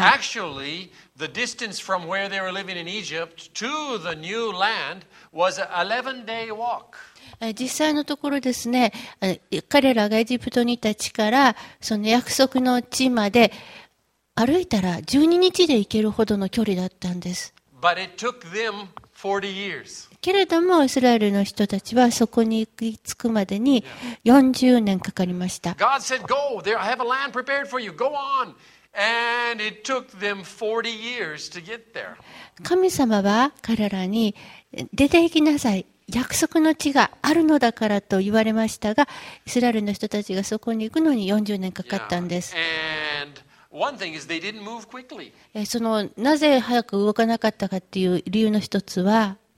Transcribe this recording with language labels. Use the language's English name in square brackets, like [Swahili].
[English] Actually, the distance from where they were living in Egypt to the new land was an 11-day walk. [Japanese] 実際のところですね、彼らがエジプトにいた地からその約束の地まで歩いたら12日で行けるほどの距離だったんです。 [English] But it took them 40 years. [Japanese] けれどもイスラエルの人たちはそこに行き着くまでに40年かかりました。 [English] God said, "Go there. I have a land prepared for you. Go on." And it took them 40 years to get there. [Japanese] 神様は彼らに出て行きなさい。約束の地があるのだからと言われましたが、イスラエルの人たちがそこに行くのに40年かかったんです。 [English] One thing is they didn't move quickly. [Japanese] そのなぜ早く動かなかったかっていう理由の一つは。